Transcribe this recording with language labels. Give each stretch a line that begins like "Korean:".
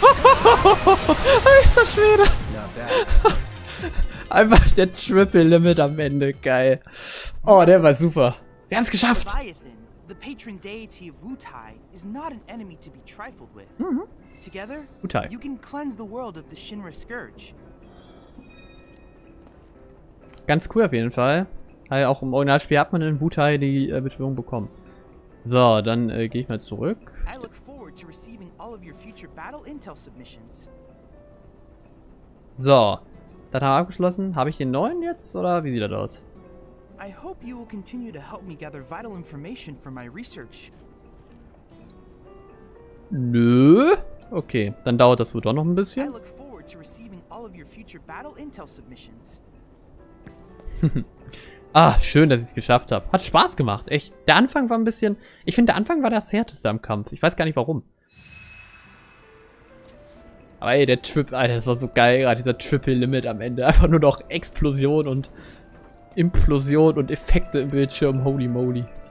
German: Alter Schwede. Einfach der Triple Limit am Ende, geil. Oh, der war super. Wir haben es geschafft.
English: The patron deity of Wutai is not an enemy to be trifled with. Mm-hmm. Together, Wutai, you can cleanse the world of the Shinra Scourge.
German: Ganz cool auf jeden Fall. Also auch im Originalspiel hat man in Wutai die Beschwörung bekommen. So, dann gehe ich mal zurück.
English: I look forward to receiving all of your future battle intel submissions.
German: So, dann haben wir abgeschlossen. Habe ich den neuen jetzt oder wie sieht das aus?
English: I hope you will continue to help me gather vital information for my research.
German: Nö. Okay, dann dauert das wohl doch noch ein bisschen.
English: I look forward to receiving all of your future battle intel submissions.
German: Ah, schön, dass ich es geschafft habe. Hat Spaß gemacht, echt. Der Anfang war ein bisschen... Ich finde, der Anfang war das härteste am Kampf. Ich weiß gar nicht, warum. Aber ey, der Trip, Alter, das war so geil. Gerade dieser Triple Limit am Ende. Einfach nur noch Explosion und... Implosion und Effekte im Bildschirm.
English: Holy moly.